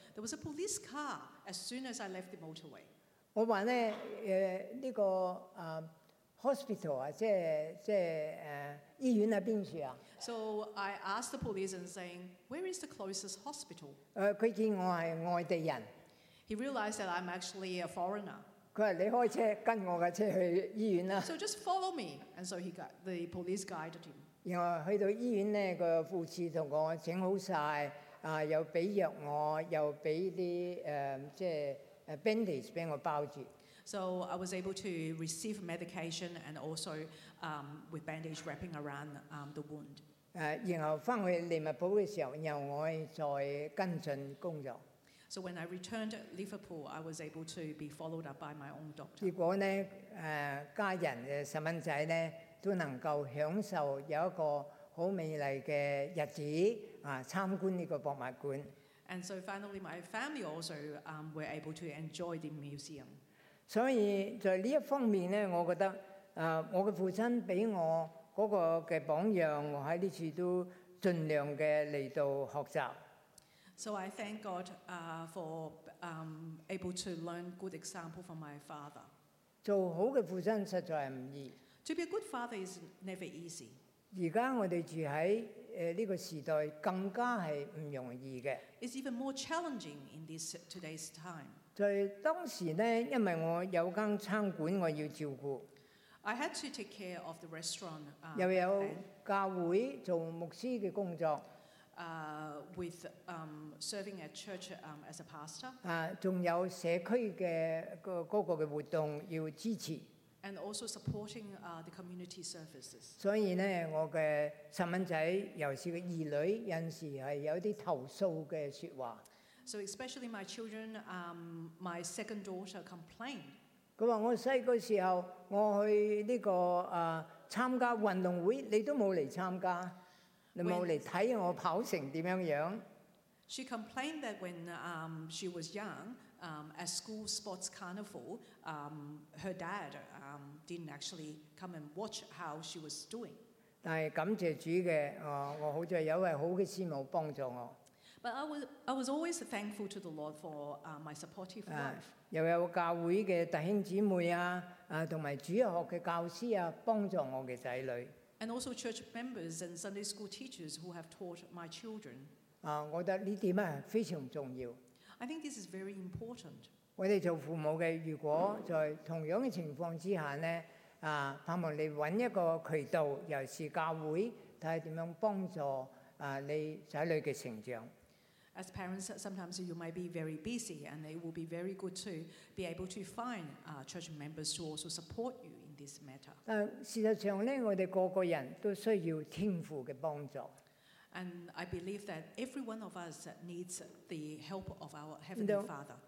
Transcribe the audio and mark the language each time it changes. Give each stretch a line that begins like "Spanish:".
English: There was a police car as soon as I left the motorway.
Cantonese: 我話咧，呢個hospital 啊，即係醫院喺邊處啊
English: ？So I asked the police and saying, where is the closest hospital？
Cantonese: 佢見我係外地人。
English: He realized that I'm actually a foreigner.
Cantonese: 佢話你開車跟我嘅車去醫院啦。
English: So just follow me. And so he got the police guided him.
Cantonese: 然後去到醫院咧，個護士同我整好曬，又俾藥我，又俾啲即係bandage 俾我包住。
English: So I was able to receive medication and also with bandage wrapping around the wound.
Cantonese: 然後翻去利物浦嘅時候，由我再跟進工作。
English: So when I returned to Liverpool, I was able to be followed up by my own doctor.
Cantonese: 結果咧，家人嘅細蚊仔咧都能夠享受有一個好美麗嘅日子啊，參觀呢個博物館。
English: And so finally, my family also were able to enjoy the museum.
Cantonese: 所以在呢一方面咧，我覺得我嘅父親俾我嗰個嘅榜樣，我喺呢處都盡量嘅嚟到學習。
English: So I thank God for able to learn good example from my father.
Cantonese: 做好嘅父親實在係唔易。
English: To be a good father is never easy.
Cantonese: 而家我哋住喺呢個時代，更加係唔容易嘅。
English: It's even more challenging in this today's time.
Cantonese: 在當時咧，因為我有間餐館我要照顧。
English: I had to take care of the restaurant.
Cantonese: 又有教會做牧師嘅工作。
English: With serving at church as a pastor.
Cantonese: 仲有社區嘅嗰個嘅活動要支持。
English: And also supporting the community services.
Cantonese: 所以咧，我嘅細蚊仔，尤其是個二女，有陣時係有啲投訴嘅説話。
English: So especially my children, my second daughter complained.
Cantonese: 佢話我細個時候，我去呢個參加運動會，你都冇嚟參加。你冇嚟睇我跑成點樣樣
English: ？She complained that when she was young, at school sports carnival, her dad didn't actually come and watch how she was doing.
Cantonese: 但係感謝主嘅，我好在有位好嘅師母幫助我。
English: But I was always thankful to the Lord for my supportive wife.
Cantonese: 又有教會嘅弟兄姊妹同埋主日學嘅教師幫助我嘅仔女。
English: And also church members and Sunday school teachers who have taught my children.
Cantonese: 我覺得呢點啊非常重要。
English: I think this is very important.
Cantonese: 我哋做父母嘅，如果在同樣嘅情況之下咧，盼望你揾一個渠道，尤其是教會，睇下點樣幫助你仔女嘅成長。
English: As parents, sometimes you might be very busy, and it will be very good to be able to find church members to also support you in this matter.
Cantonese: 但事實上咧，我哋個個人都需要天父嘅幫助。
English: And I believe that every one of us needs the help of our Heavenly Father.